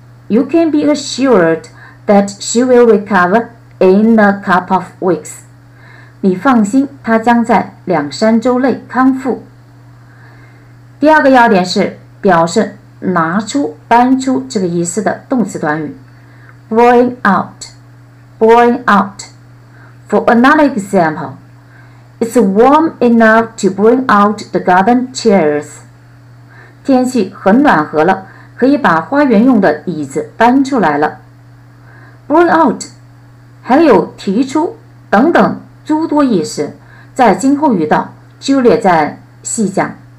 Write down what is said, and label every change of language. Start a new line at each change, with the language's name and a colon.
English: You can be assured that she will recover in a couple of weeks.
Chinese: 你放心，她将在两三周内康复。第二个要点是表示拿出、搬出这个意思的动词短语，bring out。Bring out.
English: For another example, it's warm enough to bring out the garden chairs.
Chinese: 天气很暖和了，可以把花园用的椅子搬出来了。 Bring out 还有提出等等诸多意思，在今后遇到就列在细讲。